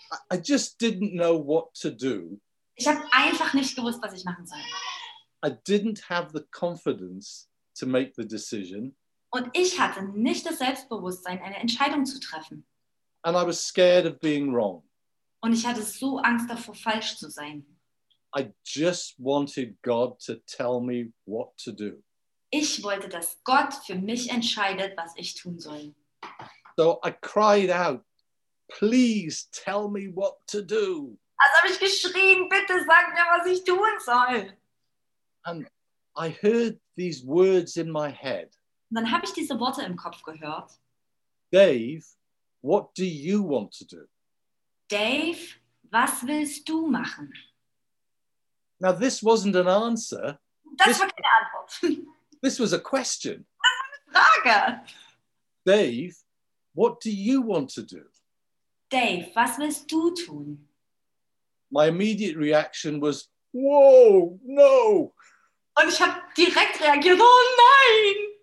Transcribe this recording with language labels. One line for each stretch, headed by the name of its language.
English: I just didn't know what to do.
German: Ich habe einfach nicht gewusst, was ich machen soll.
English: I didn't have the confidence to make the decision.
German: Und ich hatte nicht das Selbstbewusstsein, eine Entscheidung zu treffen.
English: And I was scared of being wrong.
German: Und ich hatte so Angst davor, falsch zu sein.
English: I just wanted God to tell me what to do.
German: Ich wollte, dass Gott für mich entscheidet, was ich tun soll.
English: So I cried out, please tell me what to do.
German: Also habe ich geschrien, bitte sag mir, was ich tun soll.
English: And I heard these words in my head.
German: Und dann habe ich diese Worte im Kopf gehört.
English: Dave, what do you want to do?
German: Dave, was willst du machen?
English: Now this wasn't an answer.
German: Das war keine Antwort.
English: This was a question.
German: Das war eine Frage.
English: Dave, what do you want to do?
German: Dave, was willst du tun?
English: My immediate reaction was, whoa, no.
German: Und ich habe direkt reagiert, oh nein.